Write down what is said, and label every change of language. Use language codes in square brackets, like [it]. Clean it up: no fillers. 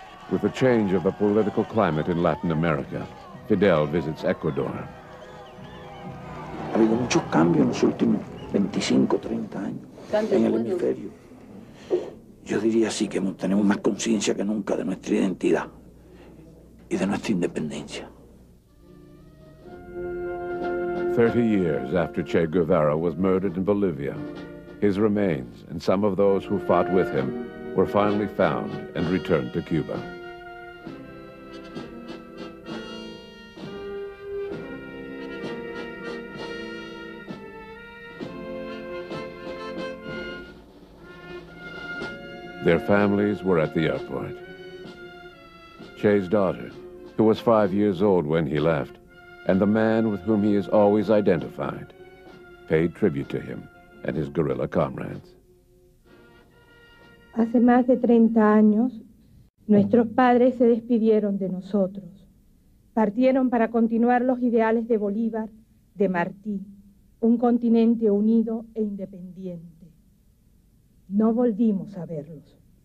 [en] With the change of the political climate in Latin America, Fidel visits Ecuador. [es] Ha habido muchos cambios en los últimos 25, 30 años en el hemisferio. Yo diría así que tenemos más conciencia que nunca de nuestra identidad y de nuestra independencia. [en] 30 years after Che Guevara was murdered in Bolivia, his remains and some of those who fought with him were finally found and returned to Cuba. Their families were at the airport. Che's daughter, who was 5 years old when he left, and the man with whom he is always identified, paid tribute to him and his guerrilla comrades. [es] Hace más de 30 años, nuestros padres se despidieron de nosotros. Partieron para continuar los ideales de Bolívar, de Martí, un continente unido e independiente. No volvimos a verlos.